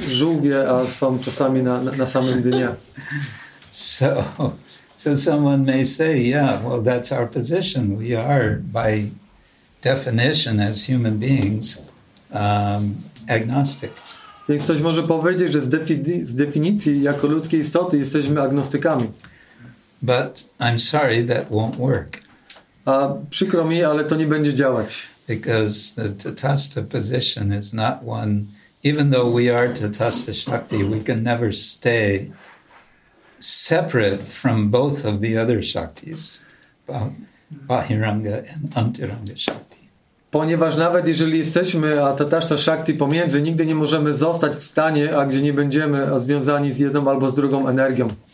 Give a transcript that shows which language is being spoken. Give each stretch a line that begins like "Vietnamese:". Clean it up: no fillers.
Polish: Żółwie są czasami na samym dnie.
English: So, So someone may say, yeah, well, that's our position. We are, by definition, as human beings, agnostic.
Polish: Więc ktoś może powiedzieć, że z definicji jako ludzkiej istoty jesteśmy agnostykami.
English: But I'm sorry, that won't work.
Polish: A przykro mi, ale to nie będzie działać.
English: Because the Tathasta position is not one, even though we are Tathasta Shakti, we can never stay separate from both of the other Shaktis, Bahiranga and Antiranga Shakti.
Polish: Ponieważ nawet jeżeli jesteśmy a Tathasta Shakti pomiędzy, nigdy nie możemy zostać w stanie, a gdzie nie będziemy związani z jedną albo z drugą energią.